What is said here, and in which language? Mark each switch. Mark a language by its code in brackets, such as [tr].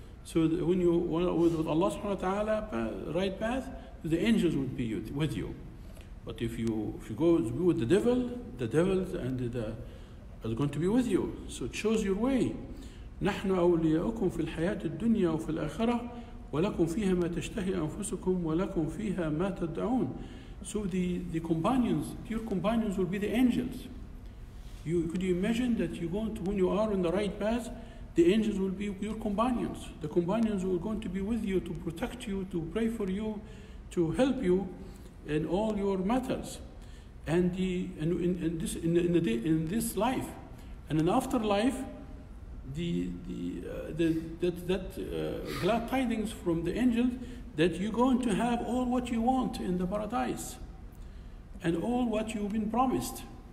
[en] So when you with Allah subhanahu wa ta'ala right path, the angels would be with you. But if you go with the devils and the is going to be with you. So choose your way. [ar] نحن أولياؤكم في الحياة الدنيا وفي الآخرة ولكم فيها ما تشتهي أنفسكم ولكم فيها ما تدعون. [en] So the companions, your companions will be the angels. Could you imagine that you're going to, when you are on the right path, the angels will be your companions. The companions who are going to be with you to protect you, to pray for you, to help you in all your matters. And in this life, and in afterlife, glad tidings from the angels that you're going to have all what you want in the paradise, and all what you've been promised.